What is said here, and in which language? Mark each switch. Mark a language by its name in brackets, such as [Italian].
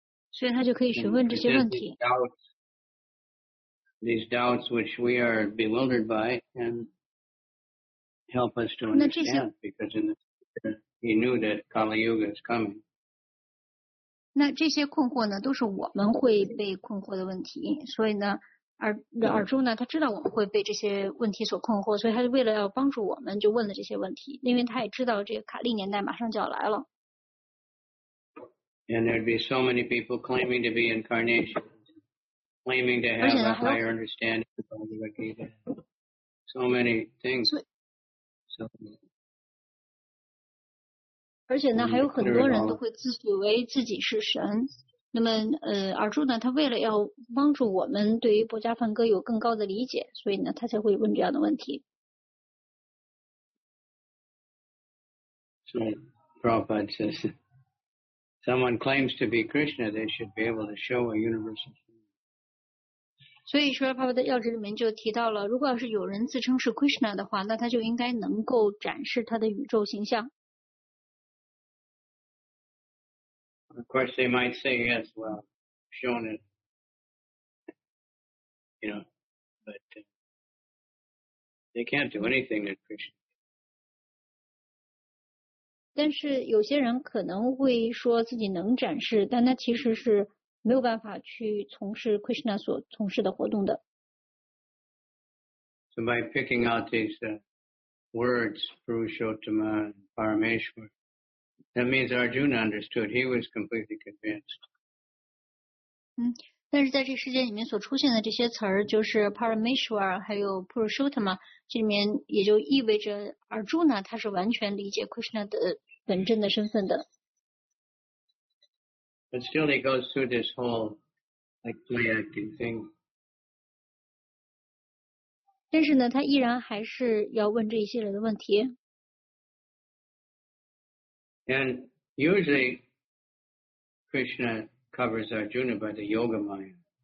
[Chinese] 所以他就可以询问这些问题。 [English] These doubts which we are bewildered by and help us to understand. [Chinese] 那这些, [English] because in the future he knew that Kali Yuga is coming. [Chinese] 那这些困惑呢都是我们会被困惑的问题。所以呢，Arjuna他知道我们会被这些问题所困惑，所以他为了要帮助我们就问了这些问题，因为他也知道这个卡利年代马上就要来了。 [English] And there'd be so many people claiming to be incarnations. claiming to have a higher understanding of the Bhagavad Gita. So many things. So, [Chinese] 而且呢，还有很多人都会自诩为自己是神。那么，尔柱呢，他为了要帮助我们对于《薄伽梵歌》有更高的理解，所以呢，他才会问这样的问题。 [English] So, Prabhupada says, someone claims to be Krishna, they should be able to show a universal form. [Chinese] 所以说，Prabhupada要旨里面就提到了，如果要是有人自称是 Krishna 的话，那他就应该能够展示他的宇宙形象。 [English] Of course, they might say yes, well, shown it, you know, but they can't do anything that Krishna. [Chinese] 但是有些人可能会说自己能展示，但那其实是没有办法去从事 Krishna 所从事的活动的。 [English] So by picking out these words, Purushottama and Parameshwar,That means Arjuna understood. He was completely convinced. [Chinese] 但是在这世界里面所出现的这些词儿，就是 Parameshwar 还有 Purushottama， 这里面也就意味着 Arjuna 他是完全理解 Krishna 的本真的身份的。 [English] But still, he goes through this whole like play acting thing. [Chinese] 但是呢，他依然还是要问这一系列的问题。 [English] And usually Krishna covers Arjuna by the yoga maya.